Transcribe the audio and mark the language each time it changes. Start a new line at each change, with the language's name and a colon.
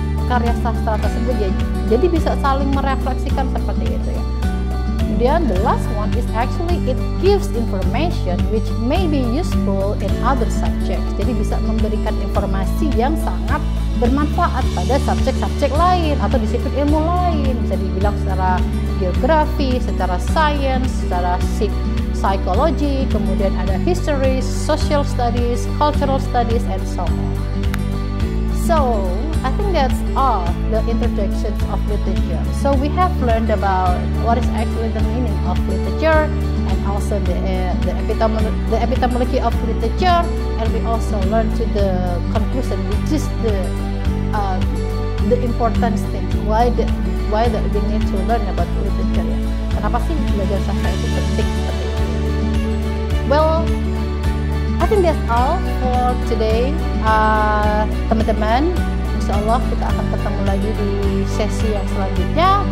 Indonesian: Karya sastra tersebut ya, jadi bisa saling merefleksikan seperti itu ya.
English: Kemudian the last one is actually it gives information which may be useful in other subjects.
Indonesian: Jadi bisa memberikan informasi yang sangat bermanfaat pada subjek-subjek lain atau disiplin ilmu lain. Bisa dibilang secara geografi, secara science, secara psikologi, kemudian ada history, social studies, cultural studies, and so on.
English: So, I think that's all the introductions of literature. So we have learned about what is actually the meaning of literature and also the epistemology of literature, and we also learn to the conclusion, which is the important thing. Why we need to learn about literature? Ya? Kenapa sih belajar sastra itu penting? Well, I think that's all for today, teman-teman.
Indonesian: Insyaallah kita akan ketemu lagi di sesi yang selanjutnya.